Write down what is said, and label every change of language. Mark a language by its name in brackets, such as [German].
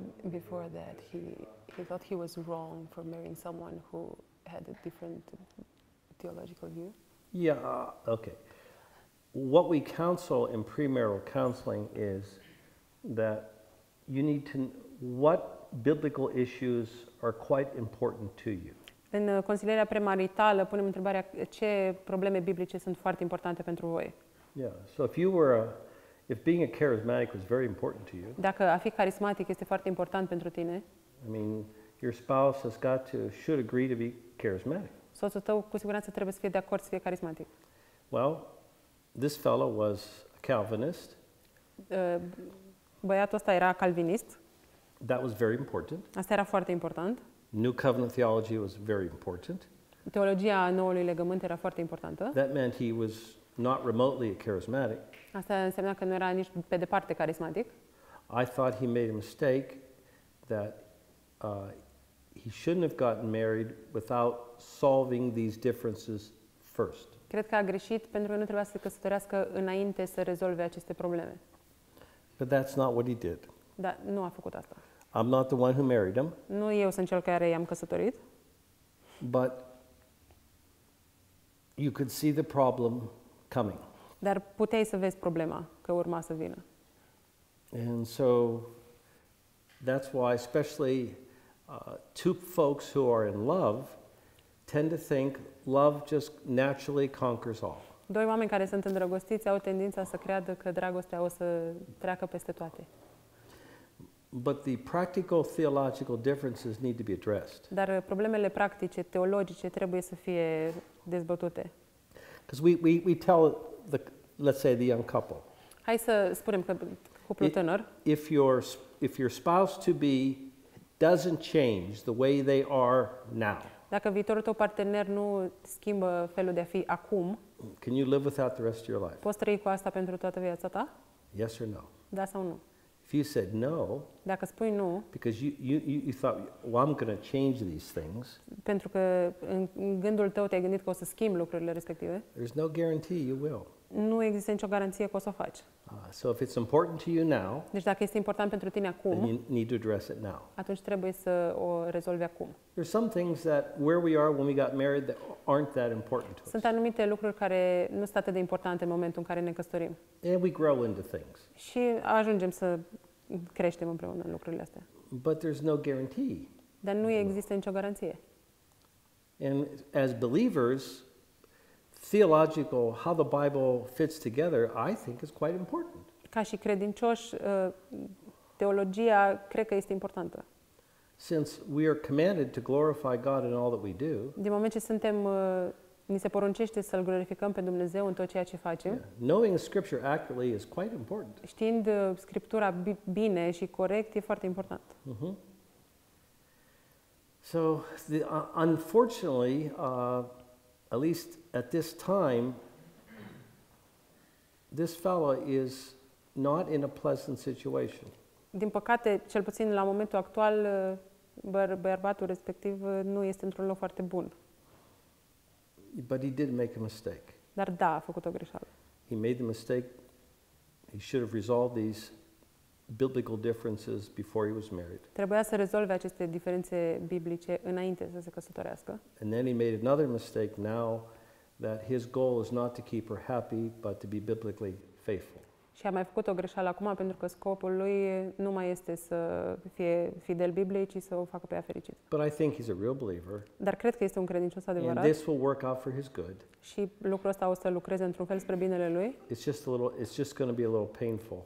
[English] Before that, he thought he was wrong for marrying someone who had a different theological view. Yeah, okay. What we counsel in premarital counseling is that you need to what biblical issues are quite important to you. [Romanian] În consilierea premaritală punem întrebarea ce probleme biblice sunt foarte importante pentru voi. [English] Yeah, so if you were if being a charismatic was very important to you. [Romanian] Dacă a fi carismatic este foarte important pentru tine. [English] I mean, your spouse has got to should agree to be charismatic. [Romanian] Soțul tău cu siguranță trebuie să fie de acord să fie carismatic. [English] Well, this fellow was a Calvinist. [Romanian] Băiatul ăsta era calvinist. [English] That was very important. [Romanian] Asta era foarte important. [English] New covenant theology was very important. [Romanian] Teologia noului legământ era foarte importantă. [English] That meant he was not remotely a charismatic. [Romanian] Asta înseamnă că nu era nici pe departe carismatic. [English] I thought he made a mistake that he shouldn't have gotten married without solving these differences first. [Romanian] Cred că a greșit pentru că nu trebuia să se căsătorească înainte să rezolve aceste probleme. [English] But that's not what he did. [Romanian] Dar nu a făcut asta. [English] I'm not the one who married him. [Romanian] Nu eu sunt cel care i-am căsătorit. [English] But you could see the problem coming. [Romanian] Dar puteai să vezi problema că urma să vină. [English] And so that's why especially two folks who are in love tend to think love just naturally conquers all. [Romanian] Doi oameni care sunt îndrăgostiți au tendința să creadă că dragostea o să treacă peste toate. [English] But the practical theological differences need to be addressed. [Romanian] Dar problemele practice teologice trebuie să fie dezbătute. [English] Because we tell the let's say the young couple. [Romanian] Hai să spunem că cuplul tânăr. [English] If your spouse to be doesn't change the way they are now. [Romanian] Dacă viitorul tău partener nu schimbă felul de a fi acum. [English] Can you live without the rest of your life? [Romanian] Poți trăi cu asta pentru toată viața ta? [English] Yes or no? [Romanian] Da sau nu? [English] If you said no, [Romanian] dacă spui nu, [English] because you thought, well, I'm going to change these things. [Romanian] Pentru că în gândul tău te-ai gândit că o să schimb lucrurile respective. [English] There's no guarantee you will. [Romanian] Nu există nicio garanție că o să o faci. [English] So if it's important to you now, [Romanian] deci dacă este important pentru tine acum, [English] then you need to address it now. [Romanian] Atunci trebuie să o rezolvi acum. [English] There's some things that where we are when we got married that aren't that important to us. [Romanian] Sunt anumite lucruri care nu sunt atât de importante în momentul în care ne căsătorim. [English] And we grow into things. [Romanian] Și ajungem să creștem împreună în lucrurile astea. [English] But there's no guarantee. [Romanian] Dar nu există nicio garanție. [English] And as believers, theological, how the Bible fits together, I think is quite important. [Romanian] Ca și credincioși, teologia cred că este importantă. [English] Since we are commanded to glorify God in all that we do. [Romanian] Din moment ce suntem ni se poruncește să-l glorificăm pe Dumnezeu în tot ceea ce facem. [English] Yeah. Knowing scripture accurately is quite important. [Romanian] Știind scriptura bine și corect e foarte important. Mm-hmm. [English] So, unfortunately, at least at this time, this fellow is not in a pleasant situation. [Romanian] Din păcate, cel puțin la momentul actual, bărbatul respectiv nu este într-un loc foarte bun. [English] But he did make a mistake. [Romanian] Dar da, a făcut o greșeală. [English] He made the mistake. He should have resolved these biblical differences before he was married. [Romanian] Trebuia să rezolve aceste diferențe biblice înainte să se căsătorească. [English] And then he made another mistake now that his goal is not to keep her happy, but to be biblically faithful. [Romanian] Și a mai făcut o greșeală acum pentru că scopul lui nu mai este să fie fidel Bibliei, ci să o facă pe ea fericit. [English] But I think he's a real believer. [Romanian] Dar cred că este un credincios adevărat. [English] And this will work out for his good. [Romanian] Și lucrul ăsta o să lucreze într-un fel spre binele lui. [English] It's just going to be a little painful.